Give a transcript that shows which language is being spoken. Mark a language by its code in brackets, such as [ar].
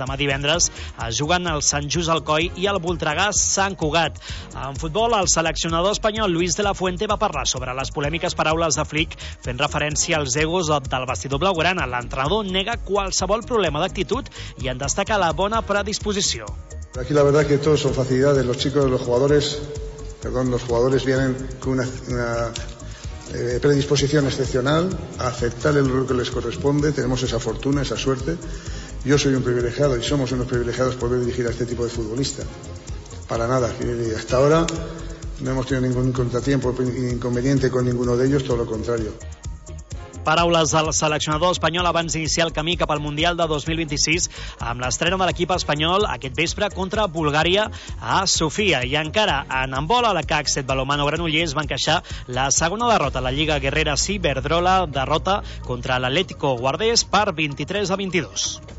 [ca] Demà divendres es juguen el Sant Just Alcoi i el Voltregà Sant Cugat. En futbol, el seleccionador espanyol Luis de la Fuente va parlar sobre les polèmiques paraules de Flick fent referència als egos del vestidor blaugrana. L'entrenador nega qualsevol problema d'actitud i en destaca la bona predisposició. [es] Aquí la verdad que todo son facilidades, los chicos, los jugadores vienen con una predisposición excepcional a aceptar el rol que les corresponde, tenemos esa fortuna, esa suerte. Yo soy un privilegiado y somos unos privilegiados por poder dirigir a este tipo de futbolista. Para nada, y hasta ahora no hemos tenido ningún contratiempo ni inconveniente con ninguno de ellos, todo lo contrario. [ca] Paraules del seleccionador espanyol abans d'iniciar el camí cap al Mundial de 2026 amb l'estrena de l'equip espanyol aquest vespre contra Bulgària a Sofia. I encara en handbol, la CAC 7 Balomano Granollers va encaixar la segona derrota a la Lliga Guerrera Ciberdrola, derrota contra l'Atlético Guardés per 23-22.